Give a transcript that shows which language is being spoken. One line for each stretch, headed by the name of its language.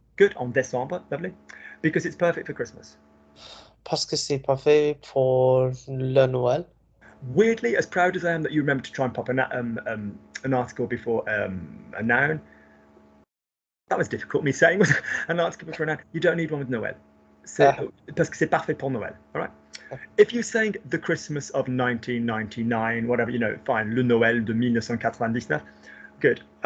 English: Good,
French: en décembre,
English: lovely. Because it's perfect for Christmas.
French: Parce que c'est parfait pour le Noël.
English: Weirdly, as proud as I am that you remember to try and pop an article before a noun, that was difficult, me saying, was an article before a noun. You don't need one with Noël.
French: So, parce que c'est parfait pour Noël,
English: all right? If you're saying the Christmas of 1999, whatever, you know, fine,
French: le Noël de 1999,
English: good.